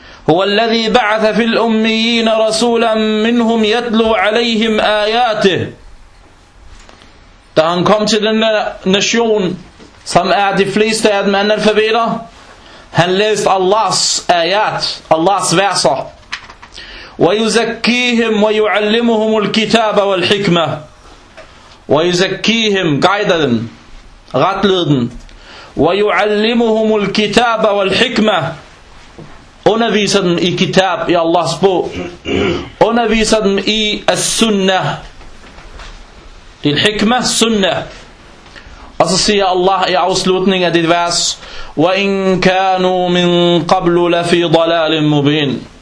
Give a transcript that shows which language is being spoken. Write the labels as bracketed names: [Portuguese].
[Arabic] هو الذي بعث في الأميين رسولا منهم يتلو عليهم آياته. [Danish] Da han kom til den nation, som er de fleste af dem analfabeter, han læste Allahs ayat, Allahs verser. [Arabic] وَيُزَكِّيهِمْ وَيُعَلِّمُهُمُ الْكِتَابَ وَالْحِكْمَةِ وَيُزَكِّيهِمْ [English] guide them, [Danish] retlede dem. [Arabic] وَيُعَلِّمُهُمُ الْكِتَابَ وَالْحِكْمَةِ [Danish] underviser dem i kitab, i Allahs bog. Underviser dem i as-sunnah. Det er hikmah, sunnah. Og så siger Allah i afslutning af dit vers, [Arabic] وَإِنْ كَانُوا مِنْ قَبْلُ لَفِي ضَلَالٍ مُبِينٍ.